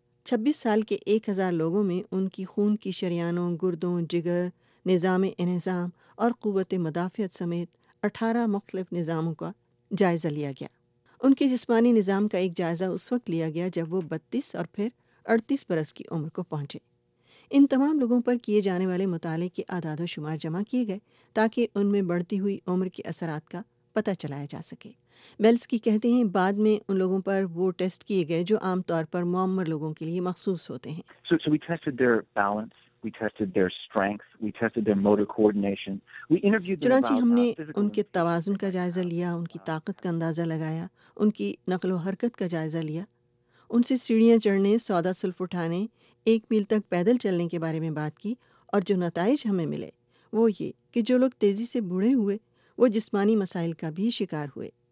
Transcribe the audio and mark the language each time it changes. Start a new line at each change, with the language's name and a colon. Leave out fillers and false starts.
Urdu: 26 سال کے 1000 لوگوں میں ان کی خون کی شریانوں، گردوں، جگر، نظام انہضام اور قوت مدافعت سمیت 18 مختلف نظاموں کا جائزہ لیا گیا۔ ان کے جسمانی نظام کا ایک جائزہ اس وقت لیا گیا جب وہ 32 اور پھر 38 برس کی عمر کو پہنچے۔ ان تمام لوگوں پر کیے جانے والے مطالعے کے اعداد و شمار جمع کیے گئے تاکہ ان میں بڑھتی ہوئی عمر کے اثرات کا پتہ چلایا جا سکے۔ بیلس کی کہتے ہیں بعد میں ان لوگوں پر وہ ٹیسٹ کیے گئے جو عام طور پر معمر لوگوں کے لیے مخصوص ہوتے ہیں۔
English: So we tested their balance. We tested their strength, we tested their motor coordination. We interviewed them about
Urdu: ہم نے ان کے توازن کا جائزہ لیا، ان کی طاقت کا اندازہ لگایا، ان کی نقل و حرکت کا جائزہ لیا، ان سے سیڑھیاں چڑھنے، سودا سلف اٹھانے، ایک میل تک پیدل چلنے کے بارے میں بات کی، اور جو نتائج ہمیں ملے وہ یہ کہ جو لوگ تیزی سے بوڑھے ہوئے وہ جسمانی مسائل کا بھی شکار ہوئے،